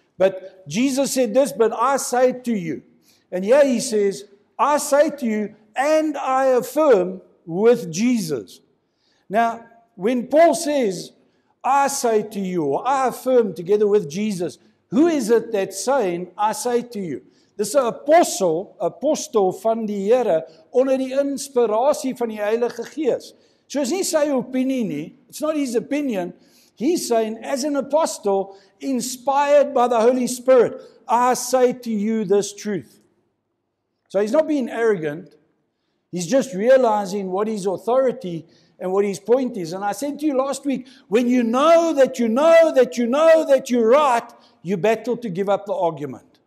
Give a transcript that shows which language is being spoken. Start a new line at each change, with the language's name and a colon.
English: But Jesus said this, but I say to you. And here he says, I say to you, and I affirm with Jesus. Now, when Paul says, I say to you, or I affirm together with Jesus, who is it that's saying, I say to you?
Afrikaans: Dis 'n apostel van die Here onder die inspirasie van die Heilige Gees. So is nie sy opinie nie.
English: It's not his opinion. He's saying, as an apostle, inspired by the Holy Spirit, I say to you this truth. So he's not being arrogant. He's just realizing what his authority and what his point is. And I said to you last week, when you know that you know that you know that you're right, you battle to give up the argument.